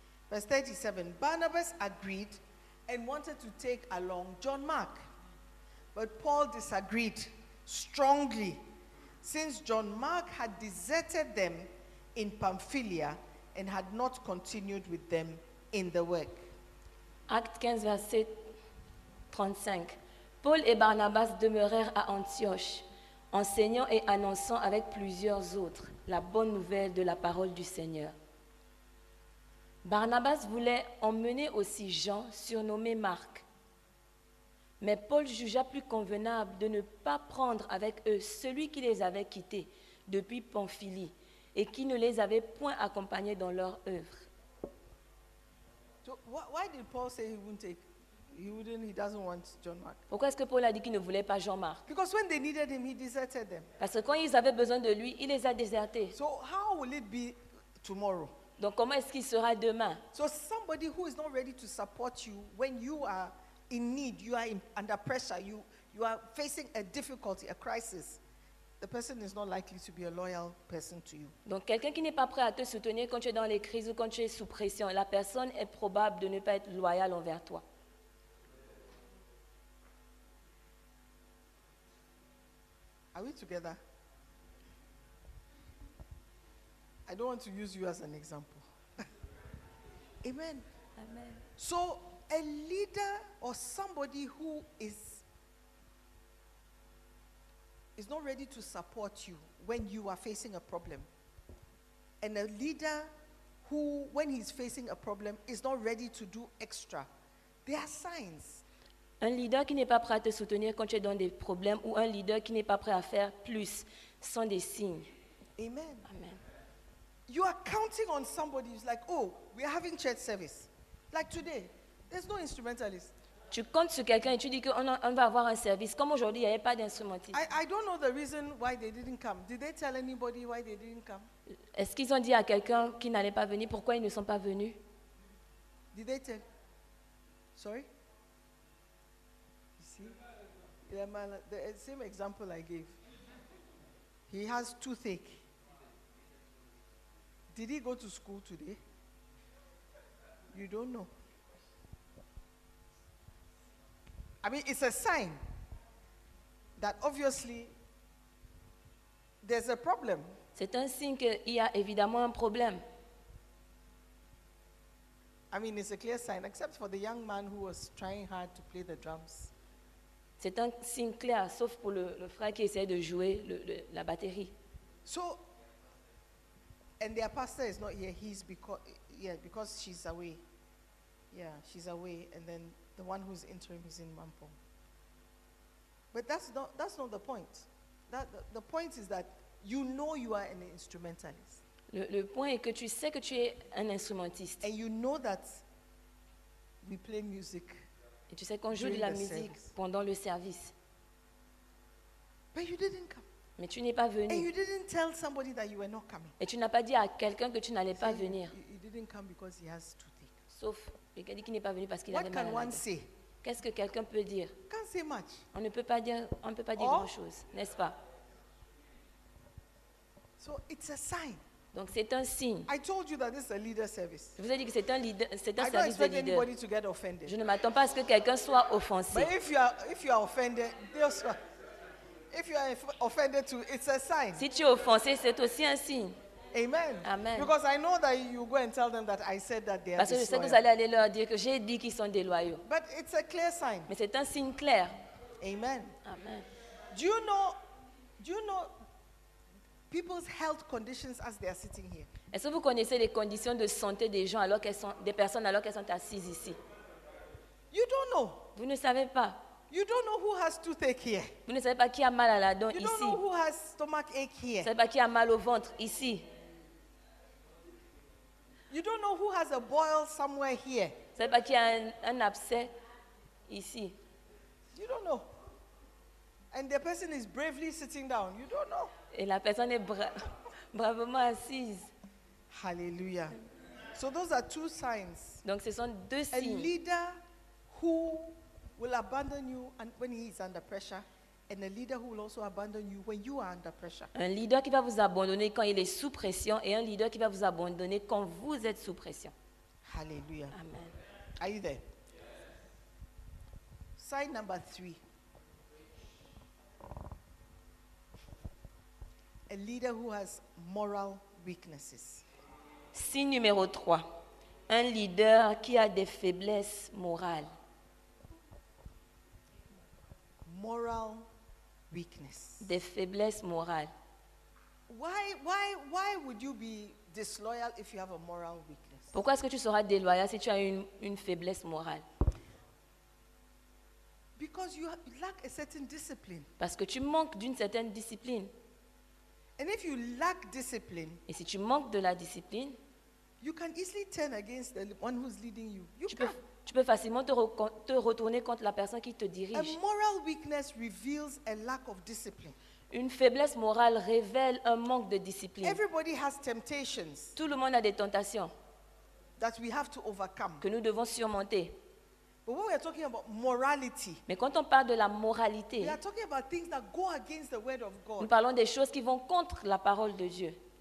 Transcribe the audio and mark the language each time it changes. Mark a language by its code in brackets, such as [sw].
[en] Verse 37, Barnabas agreed and wanted to take along John Mark. But Paul disagreed strongly, since John Mark had deserted them in Pamphylia and had not continued with them in the work. [fr] Acte 15, verset 35. Paul et Barnabas demeurèrent à Antioche, enseignant et annonçant avec plusieurs autres la bonne nouvelle de la parole du Seigneur. Barnabas voulait emmener aussi Jean, surnommé Marc. Mais Paul jugea plus convenable de ne pas prendre avec eux celui qui les avait quittés depuis Pamphylie et qui ne les avait point accompagnés dans leur œuvre. [en] So, why did Paul say he wouldn't take? He doesn't want John Mark. [fr] Pourquoi est-ce que Paul a dit qu'il ne voulait pas Jean-Marc? [en] Because when they needed him, he deserted them. [fr] Parce que quand ils avaient besoin de lui, il les a désertés. [en] So how will it be tomorrow? [fr] Donc comment est-ce qu'il sera demain? [en] So somebody who is not ready to support you when you are in need, you are under pressure, you are facing a difficulty, a crisis. The person is not likely to be a loyal person to you. [fr] Donc quelqu'un qui n'est pas prêt à te soutenir quand tu es dans les crises ou quand tu es sous pression, la personne est probable de ne pas être loyale envers toi. [en] Are we together? I don't want to use you as an example. Amen. Amen. So, a leader or somebody who is not ready to support you when you are facing a problem, and a leader who, when he's facing a problem, is not ready to do extra, there are signs. [fr] Un leader qui n'est pas prêt à te soutenir quand tu es dans des problèmes ou un leader qui n'est pas prêt à faire plus sont des signes. [en] Amen. Amen. You are counting on somebody who's like, oh, we are having church service. Like today, there's no instrumentalist. [fr] Tu comptes sur quelqu'un et tu dis qu'on va avoir un service. Comme aujourd'hui, il n'y avait pas d'instrumentiste. [en] I don't know the reason why they didn't come. Did they tell anybody why they didn't come? [fr] Est-ce qu'ils ont dit à quelqu'un qui n'allait pas venir pourquoi ils ne sont pas venus? [en] Did they tell? Sorry? The man, the same example I gave. He has toothache. Did he go to school today? You don't know. I mean, it's a sign that obviously there's a problem. [fr] C'est un signe qu'il y a évidemment un problème. [en] I mean, it's a clear sign, except for the young man who was trying hard to play the drums. [fr] C'est un signe clair, sauf pour le frère qui essaie de jouer la batterie. [en] So, and their pastor is not here. He's because she's away. Yeah, she's away, and then the one who's interim is in Mampong. But that's not the point. The point is that you know you are an instrumentalist. [fr] Le point est que tu sais que tu es un instrumentiste. [en] And you know that we play music. [fr] Et tu sais qu'on joue de la musique pendant le service. [en] But you didn't come. [fr] Mais tu n'es pas venu. [en] And you didn't tell somebody that you were not coming. [fr] Et tu n'as pas dit à quelqu'un que tu n'allais pas venir. [en] He didn't come because he has to think. [fr] Sauf quelqu'un qui n'est pas venu parce qu'il avait mal à la tête. [en] What can one say? [fr] Qu'est-ce que quelqu'un peut dire? [en] Can't say much. [fr] On ne peut pas dire grand-chose, n'est-ce pas? [en] So it's a sign. [fr] Donc c'est un signe. [en] I told you that this is a leader service. [fr] Je vous ai dit que c'est un leader, c'est un service de leader. [en] Anybody to get offended. [fr] Je ne m'attends pas à ce que quelqu'un soit offensé. [en] But if you are offended, if you are offended too, it's a sign. [fr] Si tu es offensé, c'est aussi un signe. [en] Amen. Amen. Because I know that you go and tell them that I said that they are. [fr] Parce que je sais que vous allez aller leur dire que j'ai dit qu'ils sont déloyaux. [en] But it's a clear sign. [fr] Mais c'est un signe clair. [en] Amen. Amen. Do you know? People's health conditions as they are sitting here. [fr] Est-ce que vous connaissez les conditions de santé des gens alors qu'elles sont des personnes alors qu'elles sont assises ici? [en] You don't know. [fr] Vous ne savez pas. [en] You don't know who has toothache here. [fr] Vous ne savez pas qui a mal à la dent ici. [en] You don't know who has stomach ache here. [fr] Vous ne savez pas qui a mal au ventre ici. [en] You don't know who has a boil somewhere here. [fr] Vous ne savez pas qui a un abcès ici. [en] You don't know. And the person is bravely sitting down. You don't know. [fr] Et la personne est bravement assise. [en] Hallelujah. So those are two signs. [fr] Donc ce sont deux signes. [en] A leader who will abandon you when he is under pressure, and a leader who will also abandon you when you are under pressure. [fr] Un leader qui va vous abandonner quand il est sous pression et un leader qui va vous abandonner quand vous êtes sous pression. [en] Hallelujah. Amen. Are you there? Yes. Sign number three. A leader who has moral weaknesses. [fr] Signe numéro 3. Un leader qui a des faiblesses morales. [en] Moral weakness. [fr] Des faiblesses morales. [en] Why would you be disloyal if you have a moral weakness? [fr] Pourquoi est-ce que tu seras déloyal si tu as une faiblesse morale? [en] Because you lack a certain discipline. [fr] Parce que tu manques d'une certaine discipline. [en] And if you lack discipline, [fr] et si tu manques de la discipline, [en] you can easily turn against the one who's leading you. You can. [fr] Tu peux facilement te retourner contre la personne qui te dirige. [en] A moral weakness reveals a lack of discipline. [fr] Une faiblesse morale révèle un manque de discipline. [en] Everybody has temptations. [fr] Tout le monde a des tentations [en] that we have to overcome. [fr] Que nous devons surmonter. [en] But when we are talking about morality, [fr] mais quand on parle de la moralité, [en] we are talking about things that go against the word of God. [fr] Nous parlons des choses qui vont contre la parole de Dieu.